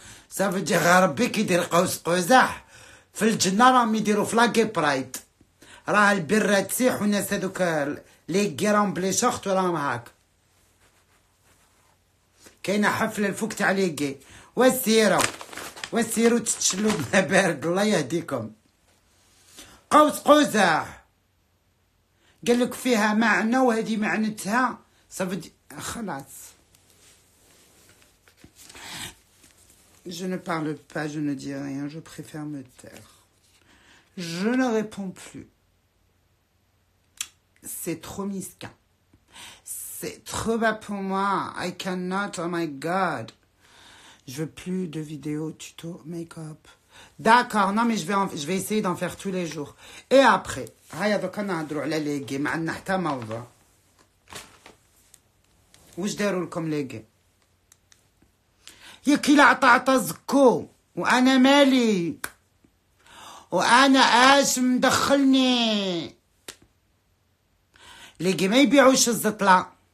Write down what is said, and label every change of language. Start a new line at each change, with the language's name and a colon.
Arabic: صافي دي غربي، كيدير قوس قزح في الجنة راهم يديرو في لاكي برايد، راه البرة تسيح والناس هادوك لي كيرون بلي شوخت وراهم هاك. كاينة حفلة الفوق تاع ليكي، وسيرو تتشلو بما بارد، الله يهديكم. قوس قزح قال لك فيها معنى، وهذه معنتها. صافي خلاص،
French: je ne parle pas, je ne dis rien, je préfère me taire, je ne réponds plus. C'est trop misquin, c'est trop bas pour moi.
English: I cannot, oh my god.
French: Je veux plus de vidéos tuto make-up. D'accord, non mais je vais essayer d'en faire tous les jours. Et après,
Arabic: هيا دوكا نهضروا على لي غي، ما عندنا حتى موضوع. واش داروا لكم لي غي؟ يا كي لعطا عطا زكو، وانا مالي؟ وانا اش مدخلني؟ لي غي ما يبيعوش الزطلة.